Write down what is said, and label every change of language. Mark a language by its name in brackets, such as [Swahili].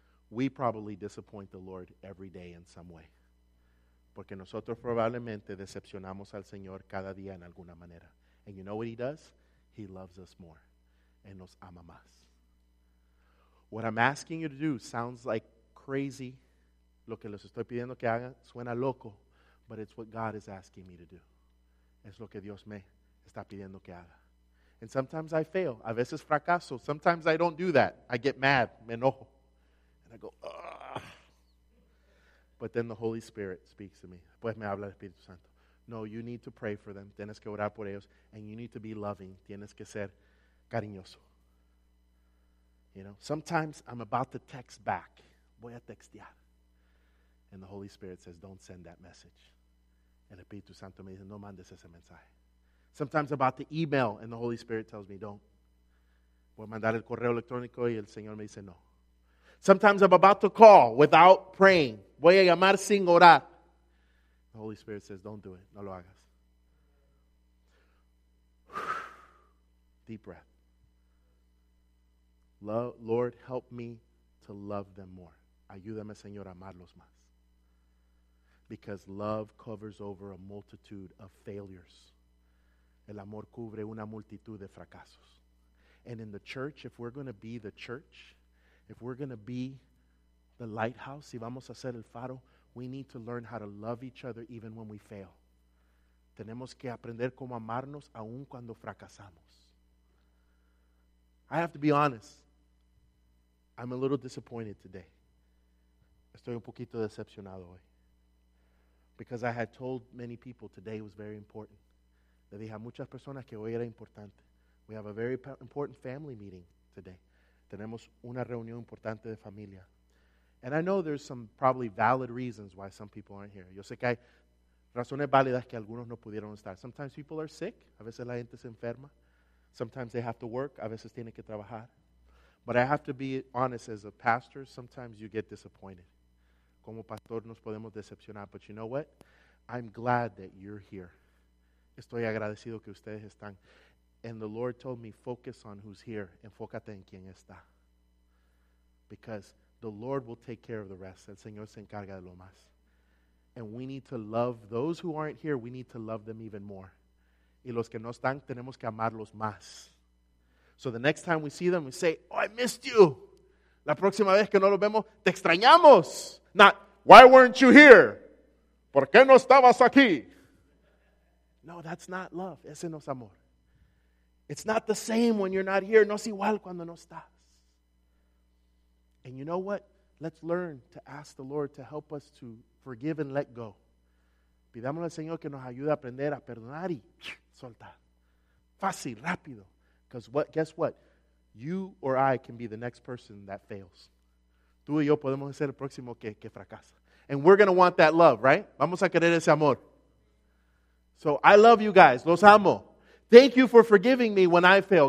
[English] We probably disappoint the Lord every day in some way. [Spanish] Porque nosotros probablemente decepcionamos al Señor cada día en alguna manera. [English] And you know what he does? He loves us more. And [Spanish] nos ama más. [English] What I'm asking you to do sounds like crazy. [Spanish] Lo que les estoy pidiendo que hagan suena loco. [English] But it's what God is asking me to do. [Spanish] Es lo que Dios me está pidiendo que haga. [English] And sometimes I fail. [Spanish] A veces fracaso. [English] Sometimes I don't do that. I get mad. [Spanish] Me enojo. [English] And I go, ugh. But then the Holy Spirit speaks to me. [Spanish] Pues me habla el Espíritu Santo. [English] No, you need to pray for them. [Spanish] Tienes que orar por ellos. [English] And you need to be loving. [Spanish] Tienes que ser cariñoso. [English] You know, sometimes I'm about to text back. [Spanish] Voy a textear. [English] And the Holy Spirit says, don't send that message. And [Spanish] el Espíritu Santo me dice, no mandes ese mensaje. [English] Sometimes about the email, and the Holy Spirit tells me, don't. [Spanish] Voy a mandar el correo electrónico, y el Señor me dice, no. [English] Sometimes I'm about to call without praying. [Spanish] Voy a llamar sin orar. [English] The Holy Spirit says, don't do it. [Spanish] No lo hagas. [English] Deep breath. Lord, help me to love them more. [Spanish] Ayúdame, Señor, a amarlos más. [English] Because love covers over a multitude of failures. [Spanish] El amor cubre una multitud de fracasos. [English] And in the church, if we're going to be the church, if we're going to be the lighthouse, [Spanish] si vamos a ser el faro, [English] we need to learn how to love each other even when we fail. [Spanish] Tenemos que aprender cómo amarnos aun cuando fracasamos. [English] I have to be honest. I'm a little disappointed today. [Spanish] Estoy un poquito decepcionado hoy. [English] Because I had told many people today was very important. [Spanish] Le dije a muchas personas que hoy era importante. [English] We have a very important family meeting today. [Spanish] Tenemos una reunión importante de familia. [English] And I know there's some probably valid reasons why some people aren't here. [Spanish] Yo sé que hay razones válidas que algunos no pudieron estar. [English] Sometimes people are sick. [Spanish] A veces la gente se enferma. [English] Sometimes they have to work. [Spanish] A veces tienen que trabajar. [English] But I have to be honest, as a pastor, sometimes you get disappointed. [Spanish] Como pastor nos podemos decepcionar. [English] But you know what? I'm glad that you're here. [Spanish] Estoy agradecido que ustedes están. [English] And the Lord told me, focus on who's here. [Spanish] Enfócate en quien está. [English] because the Lord will take care of the rest. [Spanish] El Señor se encarga de lo más. [English] And we need to love those who aren't here, we need to love them even more. [Spanish] Y los que no están, tenemos que amarlos más. [English] So the next time we see them, we say, oh, I missed you. [Spanish] La próxima vez que no los vemos, te extrañamos. [English] Not, why weren't you here? [Spanish] ¿Por qué no estabas aquí? [English] No, that's not love. [Spanish] Ese no es amor. [English] It's not the same when you're not here. [Spanish] No es igual cuando no estás. [English] And you know what? Let's learn to ask the Lord to help us to forgive and let go. [Spanish] Pidámosle al Señor que nos ayude a aprender a perdonar y soltar. Fácil, rápido. [English] Because what? Guess what? You or I can be the next person that fails. [Spanish] Tú y yo podemos ser el próximo que fracasa. [English] And we're going to want that love, right? [Spanish] Vamos a querer ese amor. [English] So I love you guys. [Spanish] Los amo. [English] Thank you for forgiving me when I fail.